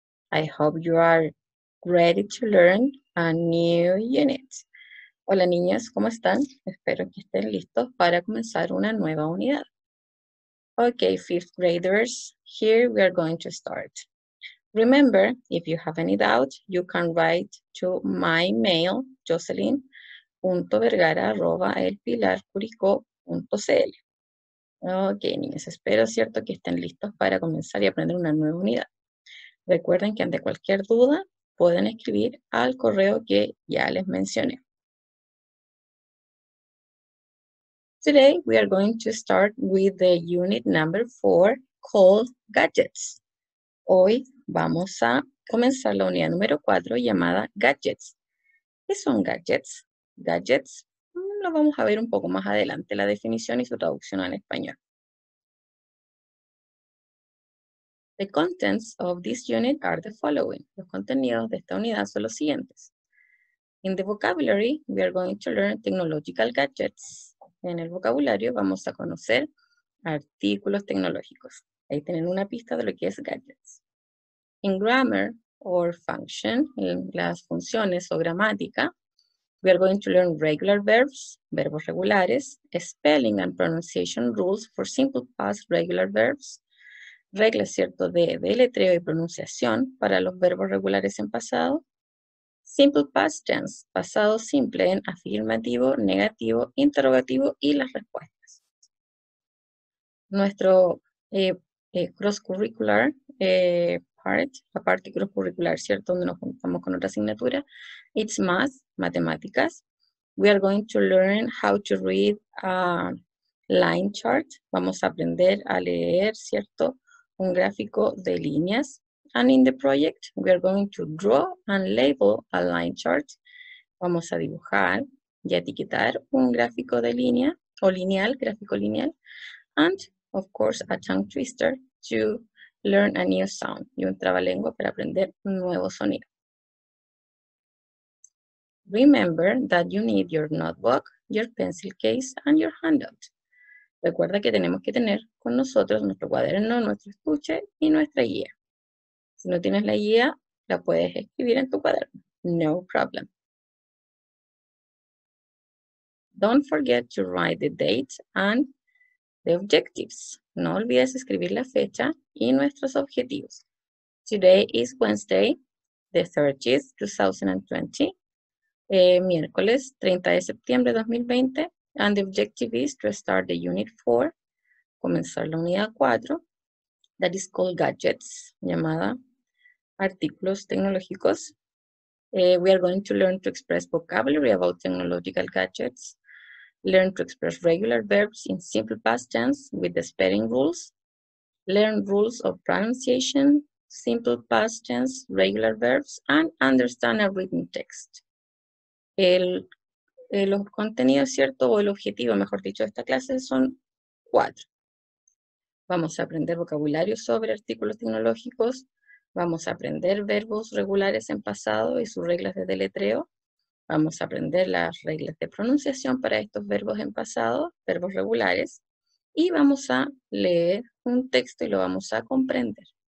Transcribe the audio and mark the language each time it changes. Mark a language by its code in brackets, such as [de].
[en] I hope you are ready to learn a new unit. [es] Hola, niñas, ¿cómo están? Espero que estén listos para comenzar una nueva unidad. [en] Okay, fifth graders, here we are going to start. Remember, if you have any doubt, you can write to my mail, jocelyn.vergara@elpilarcuricó.cl. [es] Ok, niñas, espero, ¿cierto?, que estén listos para comenzar y aprender una nueva unidad. Recuerden que ante cualquier duda, pueden escribir al correo que ya les mencioné. [en] Today, we are going to start with the unit number 4, called Gadgets. [es] Hoy vamos a comenzar la unidad número 4, llamada Gadgets. ¿Qué son gadgets? Gadgets. Lo vamos a ver un poco más adelante, la definición y su traducción al español. [en] The contents of this unit are the following. [es] Los contenidos de esta unidad son los siguientes. [en] In the vocabulary, we are going to learn technological gadgets. [es] En el vocabulario vamos a conocer artículos tecnológicos. Ahí tienen una pista de lo que es gadgets. [en] In grammar or function, [es] en las funciones o gramática, [en] we are going to learn regular verbs, [es] verbos regulares, [en] spelling and pronunciation rules for simple past regular verbs, [es] reglas, cierto, de deletreo y pronunciación para los verbos regulares en pasado, [en] simple past tense, [es] pasado simple en afirmativo, negativo, interrogativo y las respuestas. Nuestro cross-curricular part, la parte cross-curricular, cierto, donde nos juntamos con otra asignatura, [en] it's math, [es] matemáticas. [en] We are going to learn how to read a line chart. [es] Vamos a aprender a leer, ¿cierto?, un gráfico de líneas. [en] And in the project, we are going to draw and label a line chart. [es] Vamos a dibujar y etiquetar un gráfico de línea o lineal, gráfico lineal. [en] And, of course, a tongue twister to learn a new sound. [es] Y un trabalengua para aprender un nuevo sonido. [en] Remember that you need your notebook, your pencil case, and your handout. [es] Recuerda que tenemos que tener con nosotros nuestro cuaderno, nuestro estuche y nuestra guía. Si no tienes la guía, la puedes escribir en tu cuaderno. [en] No problem. Don't forget to write the date and the objectives. [es] No olvides escribir la fecha y nuestros objetivos. [en] Today is Wednesday, the 30th, 2020. [es] Miércoles 30 de septiembre de 2020, [en] and the objective is to start the unit 4, [es] comenzar la unidad 4, [en] that is called gadgets, [es] llamada artículos tecnológicos. [en] We are going to learn to express vocabulary about technological gadgets, learn to express regular verbs in simple past tense with the spelling rules, learn rules of pronunciation, simple past tense, regular verbs, and understand a written text. [es] Los contenidos, ¿cierto?, o el objetivo, mejor dicho, de esta clase son 4. Vamos a aprender vocabulario sobre artículos tecnológicos, vamos a aprender verbos regulares en pasado y sus reglas de deletreo, vamos a aprender las reglas de pronunciación para estos verbos en pasado, verbos regulares, y vamos a leer un texto y lo vamos a comprender.